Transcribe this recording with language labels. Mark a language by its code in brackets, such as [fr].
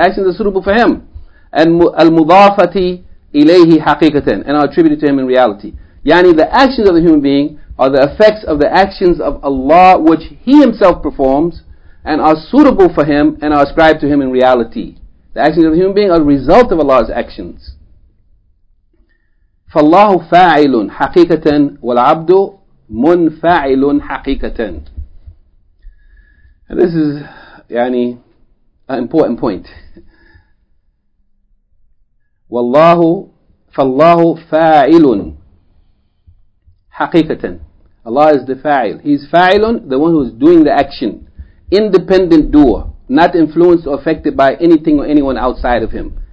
[en] Actions are suitable for Him. And [ar] al-mudafati ilayhi haqiqatan, [en] and are attributed to Him in reality. Yani the actions of the human being are the effects of the actions of Allah which He Himself performs and are suitable for Him and are ascribed to Him in reality. The actions of the human being are the result of Allah's actions. [ar] فالله فاعل حقيقة والعبد منفعل حقيقة. [en] And this is يعني an important point. [ar] والله فالله فاعل حقيقة. [en] Allah is the fa'il. He is fa'il, the one who is doing the action. Independent doer, not influenced or affected by anything or anyone outside of him.